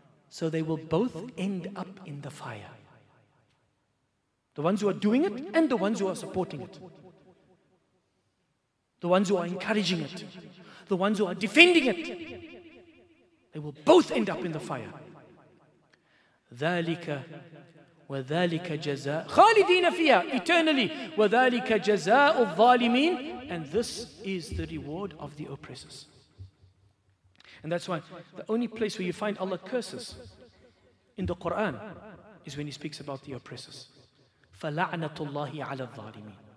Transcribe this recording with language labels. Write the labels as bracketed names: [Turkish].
[English] So they will both end up in the fire. The ones who are doing it and the ones who are supporting it. The ones who are encouraging it. The ones who are defending it. They will both end up in the fire. [Arabic] ذَلِكَ وَذَلِكَ جَزَاءُ خَالِدِينَ فِيهَا [English] eternally. [Arabic] وَذَلِكَ جَزَاءُ الظَّالِمِينَ. [English] And this is the reward of the oppressors. And that's why the only place where you find Allah curses in the Quran is when He speaks about the oppressors. [Arabic] فَلَعْنَةُ اللَّهِ عَلَى الظَّالِمِينَ.